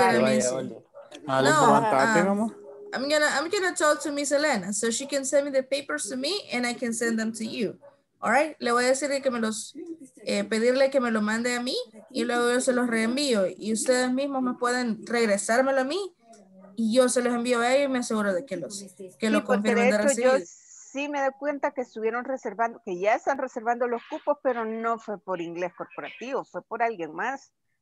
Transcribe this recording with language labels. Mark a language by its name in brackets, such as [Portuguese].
[Spanish] Sí lo voy a hacer porque no se va. [English] No, I'm gonna talk to Miss Elena so she can send me the papers to me and I can send them to you. [Spanish] All right, le voy a decir que me los, pedirle que me lo mande a mí y luego yo se los reenvío. Y ustedes mismos me pueden regresármelo a mí y yo se los envío a ellos y me aseguro de que los, que sí, lo confirmen de recibir. Yo sí me doy cuenta que estuvieron reservando, que ya están reservando los cupos, pero no fue por inglés corporativo, fue por alguien más.